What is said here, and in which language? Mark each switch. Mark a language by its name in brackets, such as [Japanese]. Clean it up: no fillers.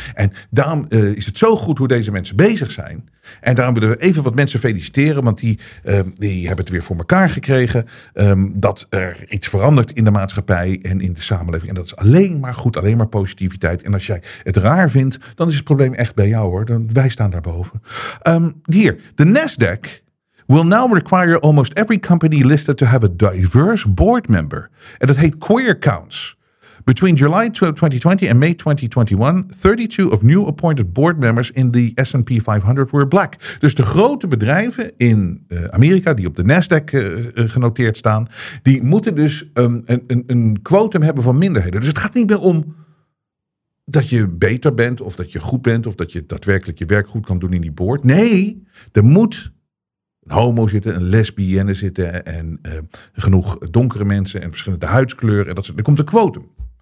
[Dutch] En daarom is het zo goed hoe deze mensen bezig zijn. En daarom willen we even wat mensen feliciteren, want die hebben het weer voor elkaar gekregen. Dat er iets verandert in de maatschappij en in de samenleving. En dat is alleen maar goed, alleen maar positiviteit. En als jij het raar vindt, dan is het probleem echt bij jou hoor. Wij staan daarboven. Hier, de [English] Nasdaq will now require almost every company listed to have a diverse board member. [Dutch] En dat heet [English] Queer Counts. Between July 2020 and May 2021, 32 of new appointed board members in the S&P 500 were black. [Dutch] Dus de grote bedrijven in Amerika die op de Nasdaq genoteerd staan, die moeten dus een quotum hebben van minderheden. Dus het gaat niet meer om dat je beter bent of dat je goed bent of dat je daadwerkelijk je werk goed kan doen in die board. Nee, er moet een homo zitten, een lesbienne zitten en genoeg donkere mensen en verschillende huidskleuren. Er komt een quotum.